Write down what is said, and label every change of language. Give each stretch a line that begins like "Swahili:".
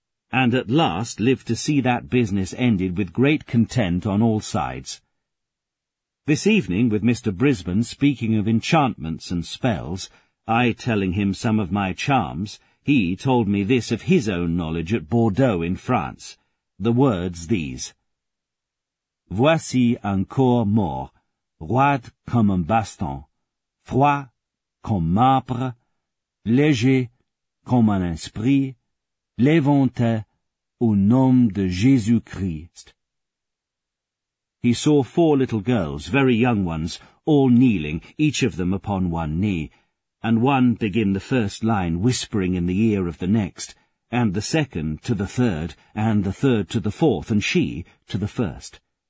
English: And at last lived to see that business ended with great content on all sides. This evening, with Mr. Brisbane speaking of enchantments and spells, I telling him some of my charms, he told me this of his own knowledge at Bordeaux in France, the words these.
French: Voici encore mort, roide comme un baston, froid comme marbre, léger comme un esprit, levante au nom de Jésus-Christ.
English: He saw four little girls, very young ones, all kneeling, each of them upon one knee, and one begin the first line whispering in the ear of the next, and the second to the third, and the third to the fourth, and she to the first.